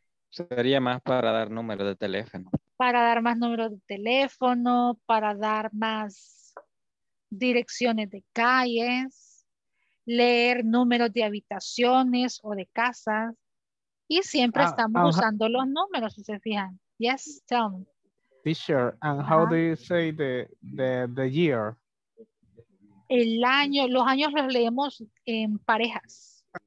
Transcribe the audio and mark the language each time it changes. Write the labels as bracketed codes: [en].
[es] Sería más para dar números de teléfono. Para dar más números de teléfono, para dar más direcciones de calles, leer números de habitaciones o de casas, y siempre estamos usando los números, si se fijan. [en] Yes, tell me. Teacher, and how do you say the year? [es] El año, los años los leemos en parejas.